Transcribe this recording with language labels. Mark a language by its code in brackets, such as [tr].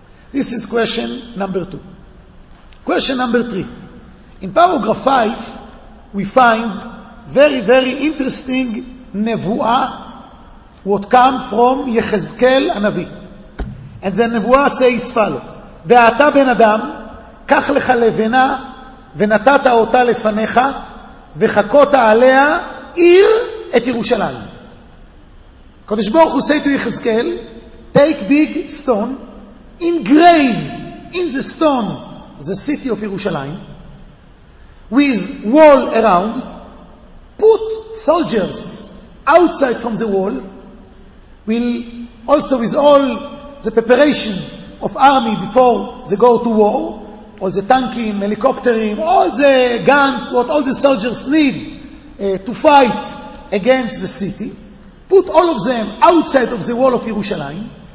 [en] This is question number 2. Question number 3. In paragraph 5 we find very very interesting nevuah what come from יחזקאל הנביא. And the nevuah says follow. [he] ואתה בן אדם, קח לך לבנה ונתת אותה לפניך, וחכות עליה עיר את ירושלים. [en] קדוש ברוך הוא say to יחזקאל, take big stone, engrave in the stone the city of ירושלים, with wall around, put soldiers outside from the wall, will also with all the preparation of army before they go to war, all the tankim, helicopterim, all the guns, what all the soldiers need to fight against the city, put all of them outside of the wall of Yerushalayim.